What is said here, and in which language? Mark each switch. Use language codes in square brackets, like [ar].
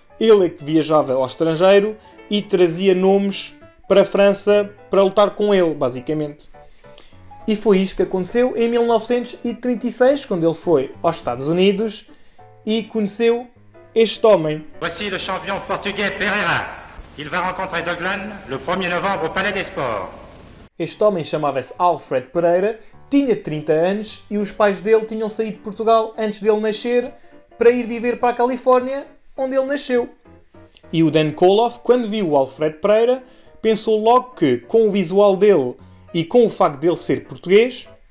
[pt] Ele é que viajava ao estrangeiro e trazia nomes para a França para lutar com ele, basicamente. E foi isto que aconteceu em 1936, quando ele foi aos Estados Unidos e conheceu este homem. [fr] Voici le champion portugais Pereira. Il va rencontrer Deglane le 1er novembre au Palais des Sports. [pt] Este homem chamava-se Alfred Pereira, tinha 30 anos e os pais dele tinham saído de Portugal antes dele nascer para ir viver para a Califórnia, onde ele nasceu. E o Dan Koloff, quando viu o Alfred Pereira, pensou logo que, com o visual dele e com o facto dele ser português,